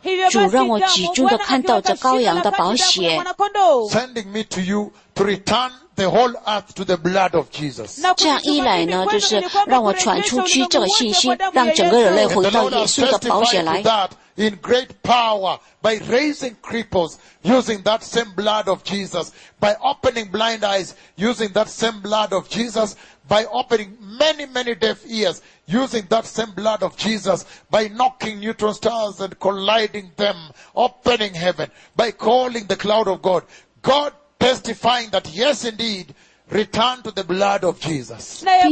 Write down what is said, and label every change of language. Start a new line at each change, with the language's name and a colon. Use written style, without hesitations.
Chinese: 主让我集中地看到这羔羊的宝血。
English: Sending me to you to return the whole earth to the blood of Jesus.
Chinese: 这样一来呢，就是让我传出去这个信息，让整个人类回到耶稣的宝血来。
English: In great power by raising cripples using that same blood of Jesus, by opening blind eyes using that same blood of Jesus, by opening many, many deaf ears using that same blood of Jesus, by knocking neutron stars and colliding them, opening heaven, by calling the cloud of God, God testifying that yes, indeed, return to the blood of Jesus.